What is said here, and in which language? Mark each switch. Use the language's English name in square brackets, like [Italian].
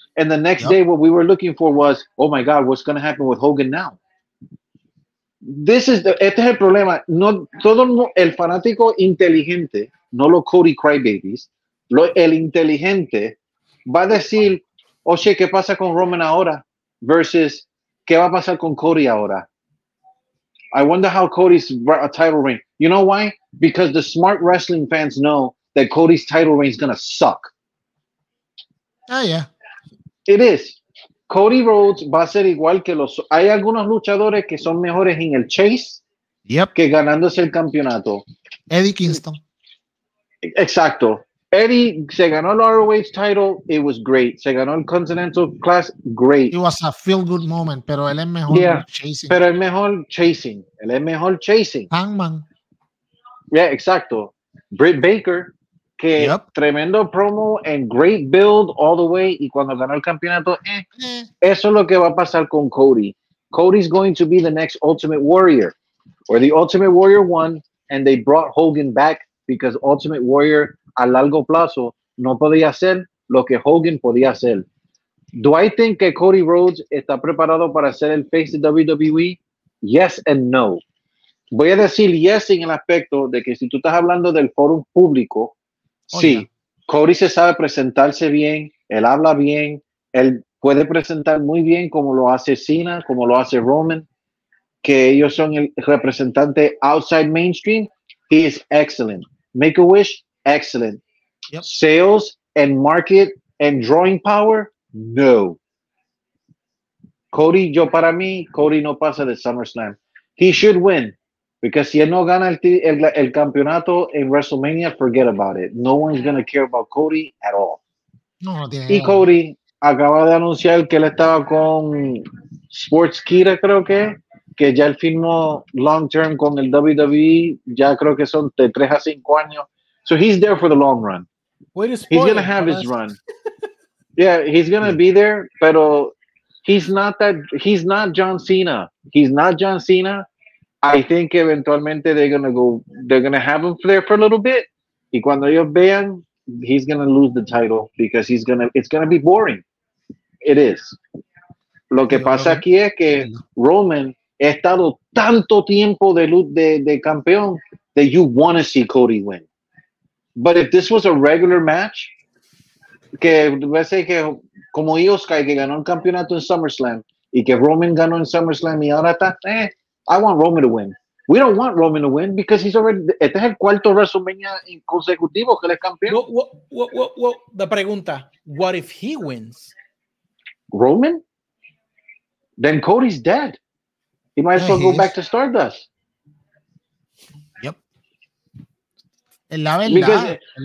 [English] And the next day, what we were looking for was, oh my God, what's going to happen with Hogan now? [Spanish] Este es el problema. No todo el fanático inteligente, no los Cody Crybabies, el inteligente va a decir, oye, ¿qué pasa con Roman ahora? Versus, ¿qué va a pasar con Cody ahora? [English] I wonder how Cody's a title reign. You know why? Because the smart wrestling fans know that Cody's title reign is gonna suck. Oh yeah, it is. [Spanish] Cody Rhodes va a ser igual que los... Hay algunos luchadores que son mejores en el chase que ganándose el campeonato. Eddie Kingston. Exacto. Eddie se ganó el ROH title, [English] it was great. [Spanish] Se ganó el Continental Class, [English] great. It was a feel-good moment, [Spanish] pero él es mejor chasing. Pero es mejor chasing. Él es mejor chasing. Hangman. Yeah, exacto. Britt Baker. Que tremendo [English] promo and great build all the way. [Spanish] Y cuando ganó el campeonato, eso es lo que va a pasar con Cody. [English] Cody's going to be the next Ultimate Warrior. Or the Ultimate Warrior won and they brought Hogan back because Ultimate Warrior [Spanish] a largo plazo no podía hacer [English] lo que Hogan podía hacer. Do I think [Spanish] que Cody Rhodes está preparado para ser el face de WWE? [English] Yes and no. [Spanish] Voy a decir yes en el aspecto de que si tú estás hablando del forum público, sí, Cody se sabe presentarse bien, él habla bien, él puede presentar muy bien como lo hace Cena, como lo hace Roman, que ellos son el representante [English] outside mainstream. He is excellent. Make-A-Wish, excellent. Yep. Sales and market and drawing power, [Spanish] No. Cody, yo para mí, Cody no pasa de SummerSlam. [English] He should win. Because [Spanish] si él no gana el campeonato en WrestleMania, [English] forget about it. No one's going to care about Cody at all. [Spanish] No, y Cody acaba de anunciar que él estaba con Sportskeeda, creo que ya él firmó [English] long term [Spanish] con el WWE, ya creo que son de 3 a 5 años. [English] So he's there for the long run. He's going to have his run. Yeah, he's going to be there, pero he's not John Cena. He's not John Cena. I think eventualmente they're gonna have him there for a little bit. [Spanish] Y cuando ellos vean, [English] he's gonna lose the title because it's gonna be boring. It is. [Spanish] Lo que pasa aquí es que Roman ha estado tanto tiempo de campeón [English] that you want to see Cody win. But if this was a regular match, [Spanish] que va a ser que como Io Sky que ganó un campeonato en SummerSlam y que Roman ganó en SummerSlam y ahora está [English] I want Roman to win. We don't want Roman to win because he's already. [Spanish] Este es el cuarto WrestleMania consecutivo que le es campeón. [English] The pregunta: what if he wins? Roman? Then Cody's dead. He might as well go back to Stardust. [Spanish] Yep. La verdad. [English] Because,